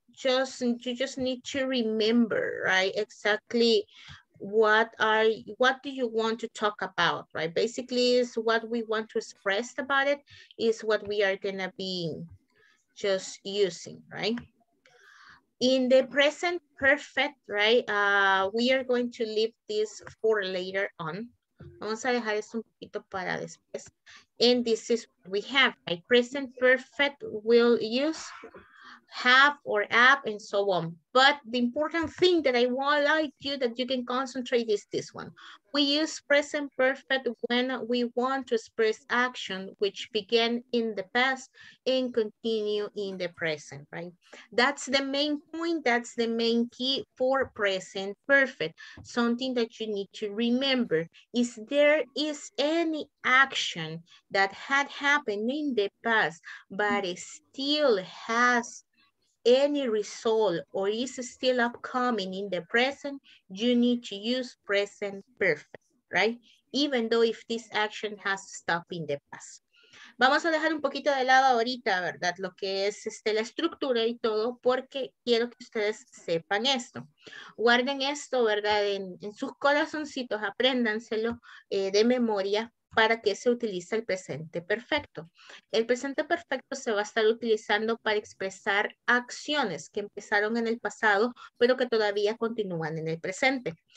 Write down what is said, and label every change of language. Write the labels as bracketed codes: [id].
[en] Just you just need to remember, right, exactly what do you want to talk about, right? Basically, is what we want to express about it is what we are going to be just using, right? In the present perfect, right, we are going to leave this for later on. [es] Vamos a dejar esto un poquito para después. [en] And this is what we have, right? Present perfect will use have or app and so on. But the important thing that I want like you that you can concentrate is this one. We use present perfect when we want to express action which began in the past and continue in the present, right? That's the main point. That's the main key for present perfect. Something that you need to remember is there is any action that had happened in the past but it still has any result or is still upcoming in the present, you need to use present perfect, right? Even though if this action has stopped in the past. [es] Vamos a dejar un poquito de lado ahorita, ¿verdad? Lo que es la estructura y todo, porque quiero que ustedes sepan esto. Guarden esto, ¿verdad? En sus corazoncitos, apréndanselo de memoria. ¿Para qué se utiliza el presente perfecto? El presente perfecto se va a estar utilizando para expresar acciones que empezaron en el pasado, pero que todavía continúan en el presente.